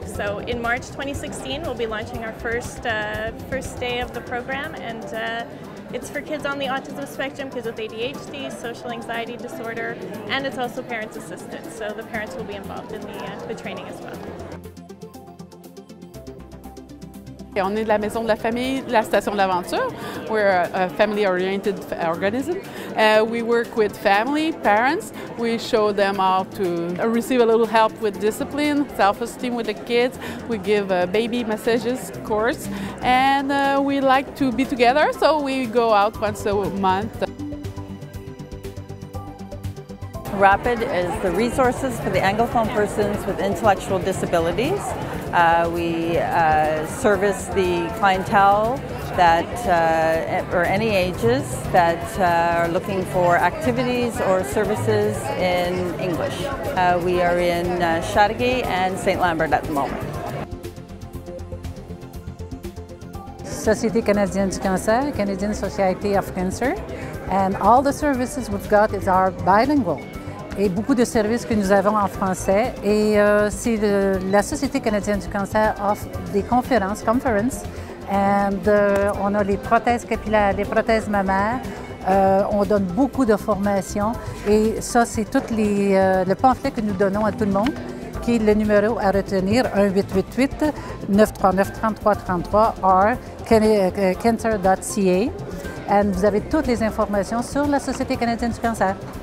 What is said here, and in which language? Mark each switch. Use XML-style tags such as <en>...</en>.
<en>So in March 2016, we'll be launching our first day of the program, and it's for kids on the autism spectrum, kids with ADHD, social anxiety disorder, and it's also parents' assistance, so the parents will be involved in the training as well.</en> <fr>On est de la maison de la famille, la station de l'aventure.</fr> <en>We're a family-oriented organism. We work with family, parents. We show them how to receive a little help with discipline, self-esteem with the kids. We give a baby massages course. And we like to be together, so we go out once a month. RAPID is the resources for the Anglophone persons with intellectual disabilities. We service the clientele that are any ages that are looking for activities or services in English. We are in Chateauguay and St. Lambert at the moment. Société canadienne du cancer, Canadian Society of Cancer, and all the services we've got is our bilingual.</en> <fr>Et beaucoup de services que nous avons en français. Et c'est la Société canadienne du cancer offre des conférences, conference, and on a les prothèses capillaires, les prothèses mammaires. On donne beaucoup de formations et ça, c'est tout le pamphlet que nous donnons à tout le monde, qui est le numéro à retenir, 1-888-939-3333 or cancer.ca. Et vous avez toutes les informations sur la Société canadienne du cancer.</fr>